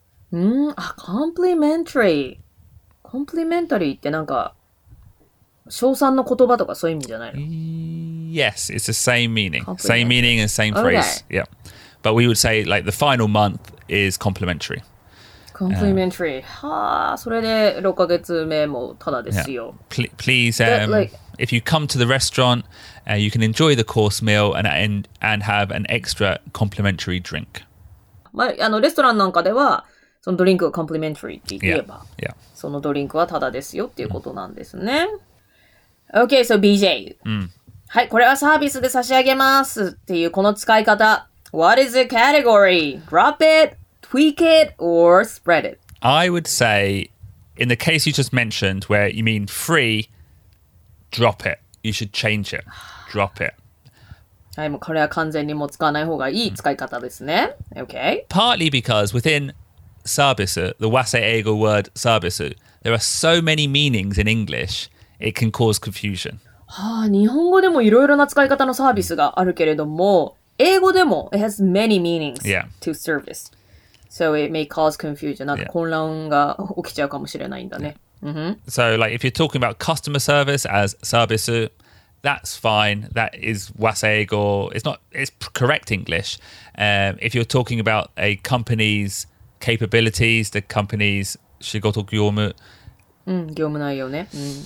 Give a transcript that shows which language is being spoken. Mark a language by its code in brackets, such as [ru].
[ja] Complimentary. Complimentary ってなんか称賛の言葉とかそういう意味じゃないの? [en] Yes, it's the same meaning. Same meaning and same phrase. Okay. Yeah. But we would say like the final month is complimentary. Complimentary. [ja] はあ、それで6ヶ月目もただですよ。 [en] Yeah. Please, if you come to the restaurant, you can enjoy the course meal and have an extra complimentary drink. [ja] まあ、あのレストランなんかではそのドリンクがコンプリメンタリーって言えば [en] yeah. Yeah. [ja] そのドリンクはタダですよっていうことなんですね、mm. [en] OK, so BJ、 mm. [ja] はい、これはサービスで差し上げますっていうこの使い方 [en] What is the category? Drop it, tweak it, or spread it? I would say in the case you just mentioned where you mean free drop it, you should change it drop it [ja] はい、もうこれは完全にもう使わない方がいい使い方ですね、mm. [en] OK Partly because withinservice, the Waseego word service, there are so many meanings in English, it can cause confusion. [ja] Ah, 日本語でもいろいろな使い方のサービスがあるけれども、英語でも [en] it has many meanings yeah. to service. So it may cause confusion. [ja] なんか混乱が起きちゃうかもしれないんだね。 [en] Yeah. Mm-hmm. So like if you're talking about customer service as service, that's fine. That is Waseego. It's correct English. If you're talking about a company's capabilities, the company's 仕事業務、 [ja] うん、業務内容ね、うん、